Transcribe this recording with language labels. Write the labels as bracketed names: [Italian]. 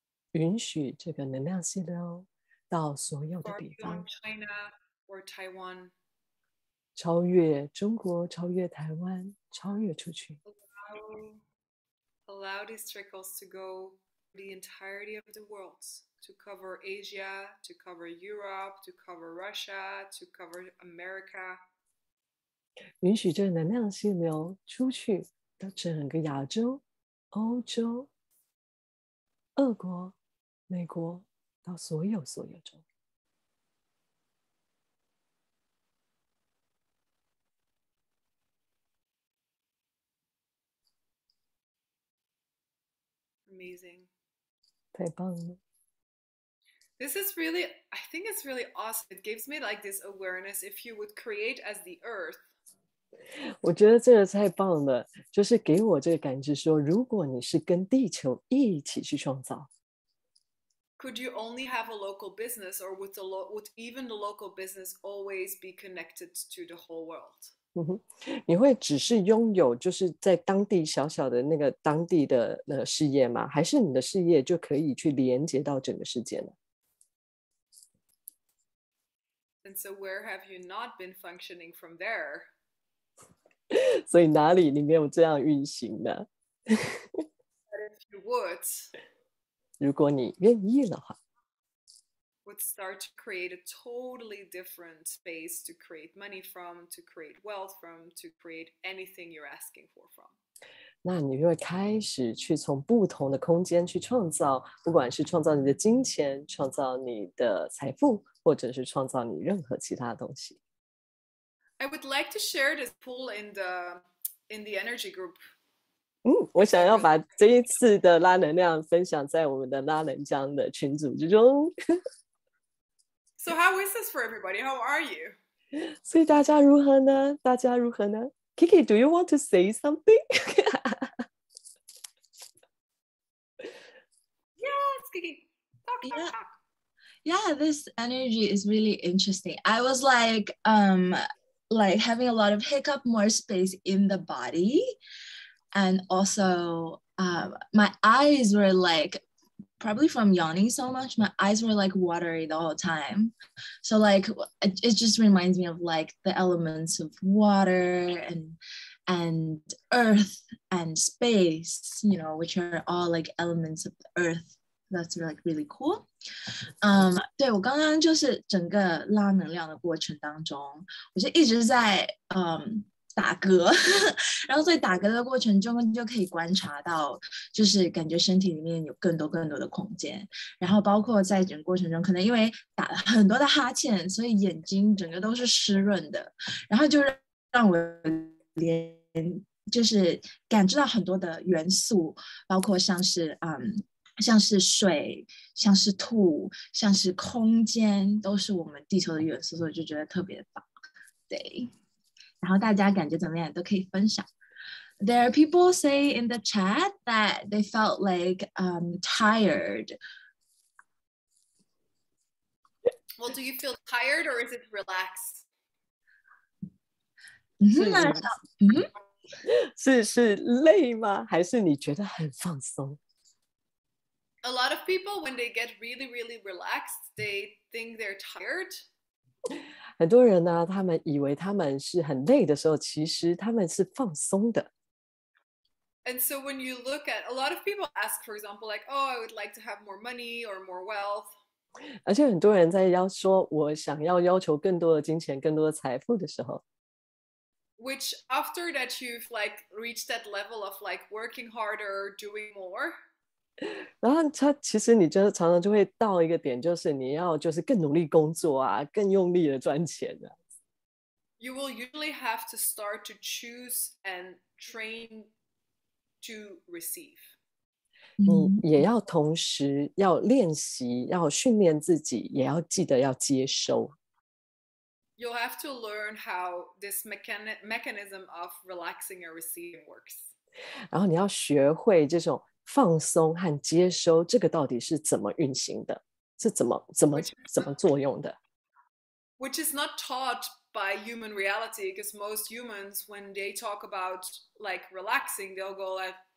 [Chinese] 允许这个能量溪流到所有的地方。 [English] China or Taiwan. [Chinese] 超越中国，超越台湾，超越出去。 [English] Allow these trickles to go. The entirety of the world to cover Asia, to cover Europe, to cover Russia, to cover America. [Chinese] 允许这能量溪流出去到整个亚洲、欧洲、俄国、美国，到所有所有中。 [English] Amazing. [Chinese] 太棒了。 [English] This is really, I think it's really awesome. It gives me like this awareness if you would create as the earth. [Chinese] 我觉得这个太棒了，就是给我这个感知说，如果你是跟地球一起去创造。 [English] Could you only have a local business or would, would even the local business always be connected to the whole world? [Chinese] 你会只是拥有就是在当地小小的那个当地的事业吗？还是你的事业就可以去连接到整个世界呢？ [English] And so where have you not been functioning from there? [Chinese] 所以哪里你没有这样运行呢？ [English] But if you would, [Chinese] 如果你愿意的话， [English] would start to create a totally different space to create money from, to create wealth from, to create anything you're asking for from. [Chinese] 那你就会开始去从不同的空间去创造，不管是创造你的金钱，创造你的财富，或者是创造你任何其他的东西。 [English] I would like to share this pool in the energy group. [Chinese] 我想要把这一次的拉能量分享在我们的拉能量的群组之中。 [English] So how is this for everybody? How are you? [Chinese] 所以大家如何呢？大家如何呢 ？ [English] Kiki, do you want to say something? Yes, Kiki. Talk. Yeah, this energy is really interesting. I was like having a lot of hiccup, more space in the body. And also, my eyes were like, probably from yawning so much, my eyes were like watery the whole time. So like, it just reminds me of like the elements of water and earth and space, you know, which are all like elements of the earth. That's like really cool. [Chinese] 对，我刚刚就是整个拉能量的过程当中，我就一直在打嗝，然后在打嗝的过程中就可以观察到，就是感觉身体里面有更多更多的空间，然后包括在整个过程中可能因为打了很多的哈欠，所以眼睛整个都是湿润的，然后就让我连就是感知到很多的元素，包括像是像是水，像是土，像是空间，都是我们地球的元素，所以就觉得特别棒。对，然后大家感觉怎么样都可以分享。 [English] There are people say in the chat that they felt like tired. Well, do you feel tired or is it relaxed? [Chinese] 是累吗？还是你觉得很放松？ [English] a lot of people, when they get really, really relaxed, they think they're tired. [Chinese] 很多人呢，他们以为他们是很累的时候，其实他们是放松的。 [English] And so when you look at, a lot of people ask, for example, like, oh, I would like to have more money or more wealth. [Chinese] 而且很多人在要说我想要要求更多的金钱，更多的财富的时候。 [English] Which after that you've like reached that level of like working harder, doing more. [Chinese] 然后他其实你就常常就会到一个点，就是你要就是更努力工作啊，更用力的赚钱啊。 [English] You will usually have to start to choose and train. To receive. [Chinese] 你也要同时要练习，要训练自己，也要记得要接收。 [English] You'll have to learn how this mechanism of relaxing and receiving works. [Chinese] 然后你要学会这种放松和接收，这个到底是怎么运行的？是怎么作用的？ [English] Which is not taught. By human reality, because most humans, when they talk about like relaxing, they'll go like.